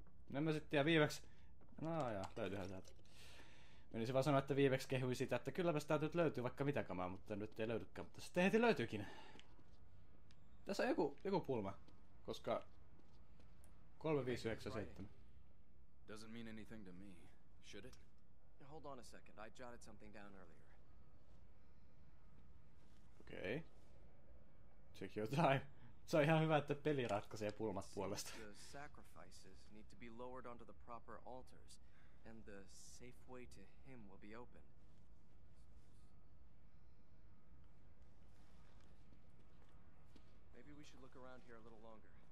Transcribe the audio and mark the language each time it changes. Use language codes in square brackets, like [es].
[fi] Nyt mä sitten viimeksi... No joo, täytyyhän täältä. Menisin vaan sanoa, että viimeksi kehui sitä, että kylläpäs täältä nyt löytyy vaikka mitä kamaa, mutta nyt ei löydykään, mutta sitten heti löytyykin. Tässä on joku pulma, koska 3597. [en] Doesn't mean anything to me, should it? Hold on a second, I jotted something down earlier. Okei. Check your time. [fi] Se on ihan hyvä, että peli ratkaisee pulmat puolesta. [en] The sacrifices need to be lowered onto the proper altars, and the safe way to him will be open. Maybe we should look around here a little longer.